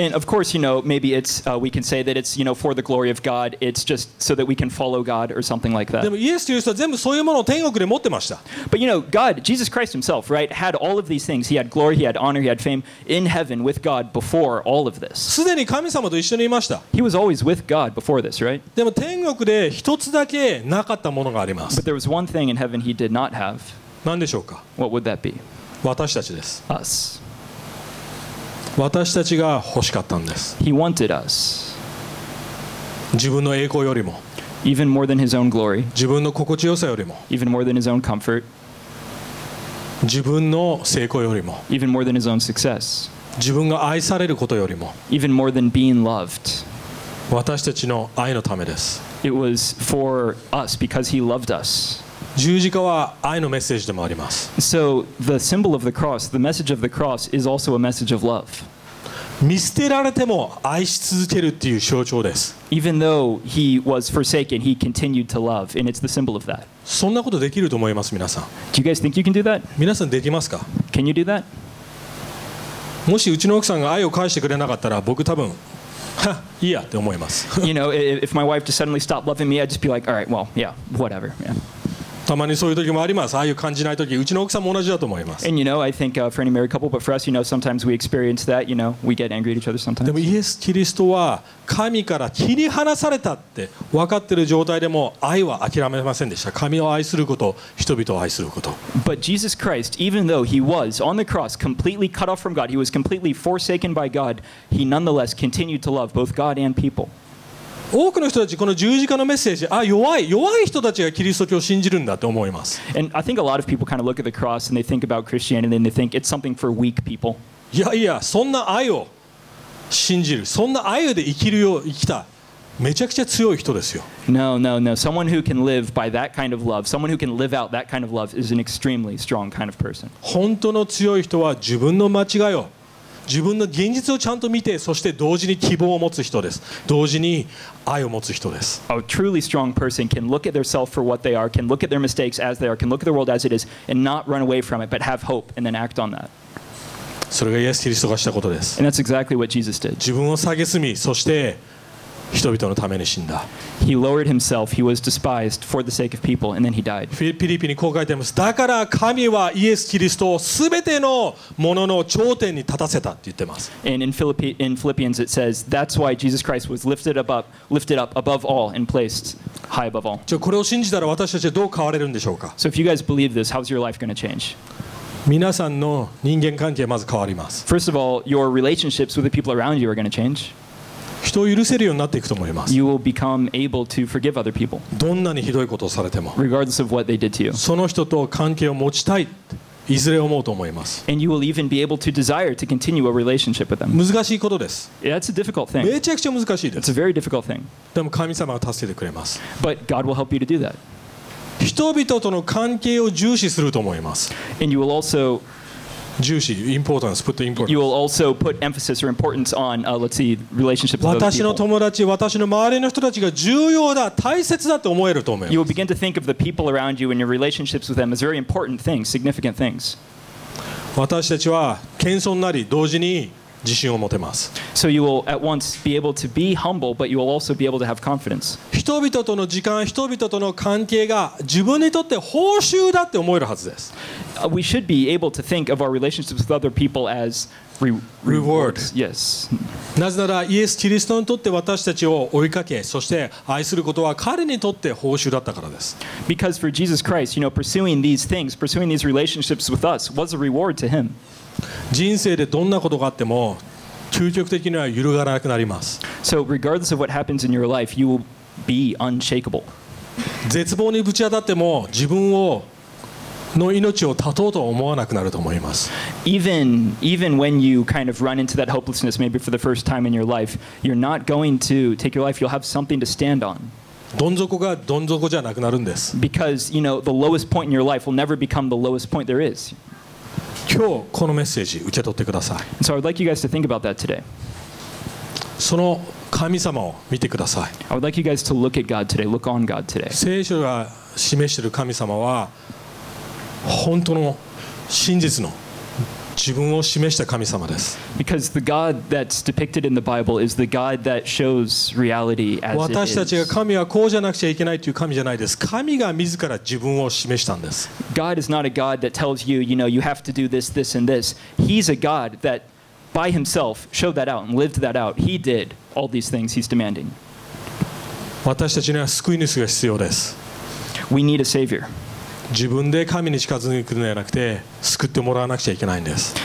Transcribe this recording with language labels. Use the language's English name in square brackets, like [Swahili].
[English] And of course, you know, maybe it's, we can say that it's, you know, for the glory of God, it's just so that we can follow God or something like that. [Japanese] でもイエスという人は全部そういうものを天国で持ってました。 [English] But you know, God, Jesus Christ himself, right, had all of these things. He had glory, he had honor, he had fame in heaven with God before all of this. [Japanese] すでに神様と一緒にいました。 [English] He was always with God before this, right? [Japanese] でも天国で一つだけなかったものがあります。 [English] But there was one thing in heaven he did not have. [Japanese] 何でしょうか? [English] What would that be? [Japanese] 私たちです。 [English] Us. [Japanese] 私たちが欲しかったんです。 [English] He wanted us. [Japanese] 自分の栄光よりも。 [English] Even more than his own glory. [Japanese] 自分の心地よさよりも。 [English] Even more than his own comfort. [Japanese] 自分の成功よりも。 [English] Even more than his own success. [Japanese] 自分が愛されることよりも。 [English] Even more than being loved. [Japanese] 私たちの愛のためです。 [English] It was for us because he loved us. [Japanese] 十字架は愛のメッセージでもあります。 [English] So the symbol of the cross, the message of the cross is also a message of love. [Japanese] 見捨てられても愛し続けるっていう象徴です。 [English] Even though he was forsaken, he continued to love, and it's the symbol of that. [Japanese] そんなことできると思います、皆さん。 [English] Do you guys think you can do that? [Japanese] 皆さんできますか? [English] Can you do that? [Japanese] もしうちの奥さんが愛を返してくれなかったら、僕多分いやって思います。 [English] You know, if my wife just suddenly stopped loving me, I'd just be like, all right, well, yeah, whatever, yeah. [Japanese] たまにそういう時もあります。ああいう感じない時、うちの奥さんも同じだと思います。 [English] And you know, I think for any married couple, but for us, you know, sometimes we experience that. You know, we get angry at each other sometimes. [Japanese] でもイエス・キリストは神から切り離されたって分かってる状態でも愛は諦めませんでした。神を愛すること、人々を愛すること。 [English] But Jesus Christ, even though he was on the cross, completely cut off from God, he was completely forsaken by God, he nonetheless continued to love both God and people. [Japanese] 多くの人たちこの十字架のメッセージ、あ、弱い、弱い人たちがキリスト教を信じるんだと思います。 [English] And I think a lot of people kind of look at the cross and they think about Christianity and they think it's something for weak people. [Japanese] いやいや、そんな愛を信じる、そんな愛で生きるよう生きた、めちゃくちゃ強い人ですよ。 [English] No, no, no. Someone who can live by that kind of love, someone who can live out that kind of love is an extremely strong kind of person. [Japanese] 本当の強い人は自分の間違いを自分の現実をちゃんと見て、そして同時に希望を持つ人です。同時に愛を持つ人です。 [English] A truly strong person can look at their self for what they are, can look at their mistakes as they are, can look at the world as it is, and not run away from it, but have hope and then act on that. [Japanese] それがイエス・キリストがしたことです。 [English] And that's exactly what Jesus did. [Japanese] 自分を蔑み、そして人々のために死んだ。 [English] He lowered himself, he was despised for the sake of people, and then he died. [Japanese] フィリピにこう書いてます。だから神はイエス・キリストをすべてのものの頂点に立たせたって言ってます。 [English] And in Philippians it says, that's why Jesus Christ was lifted up above all and placed high above all. [Japanese] じゃあこれを信じたら私たちはどう変われるんでしょうか? [English] So if you guys believe this, how's your life going to change? [Japanese] 皆さんの人間関係まず変わります。 [English] First of all, your relationships with the people around you are going to change. [Japanese] 人を許せるようになっていくと思います。 [English] You will become able to forgive other people. [Japanese] どんなにひどいことをされても。 [English] Regardless of what they did to you. [Japanese] その人と関係を持ちたい、いずれ思うと思います。 [English] And you will even be able to desire to continue a relationship with them. [Japanese] 難しいことです。 [English] Yeah, it's a difficult thing. [Japanese] めちゃくちゃ難しいです。 [English] It's a very difficult thing. [Japanese] でも神様は助けてくれます。 [English] But God will help you to do that. [Japanese] 人々との関係を重視すると思います。 [English] And you will also... 重視、importance、put the importance. You will also put emphasis or importance on, let's see, relationships with those people. [Japanese] 私の友達、私の周りの人たちが重要だ、大切だと思えると思います。 [English] You will begin to think of the people around you and your relationships with them as very important things, significant things. [Japanese] 私たちは謙遜なり、同時に自信を持てます。 [English] So you will at once be able to be humble, but you will also be able to have confidence. [Japanese] 人々との時間、人々との関係が自分にとって報酬だって思えるはずです。 [English] We should be able to think of our relationships with other people as rewards. Yes. [Japanese] なぜならイエス・キリストにとって私たちを追いかけ、そして愛することは彼にとって報酬だったからです。 [English] Because for Jesus Christ, you know, pursuing these things, pursuing these relationships with us was a reward to him. [Japanese] 人生でどんなことがあっても究極的には揺るがなくなります。 [English] So regardless of what happens in your life, you will be unshakable. [Japanese] 絶望にぶち当たっても自分をの命を絶とうと思わなくなると思います。 [English] Even when you kind of run into that hopelessness maybe for the first time in your life, you're not going to take your life. You'll have something to stand on. [Japanese] どん底がどん底じゃなくなるんです。 [English] Because you know the lowest point in your life will never become the lowest point there is. [Japanese] 今日このメッセージ受け取ってください。 [English] So I'd like you guys to think about that today. [Japanese] その神様を見てください。 [English] I would like you guys to look at God today. Look on God today. [Japanese] 聖書が示している神様は本当の真実の自分を示した神様です。 [English] Because the God that's depicted in the Bible is the God that shows reality as it is. [Japanese] 私たちが神はこうじゃなくちゃいけないという神じゃないです。神が自ら自分を示したんです。 [English] God is not a God that tells you, you know, you have to do this, this, and this. He's a God that by himself showed that out and lived that out. He did all these things he's demanding. [Japanese] 私たちには救い主が必要です。 [English] We need a savior. [Japanese] 自分で神に近づくのではなくて救ってもらわなくちゃいけないんです。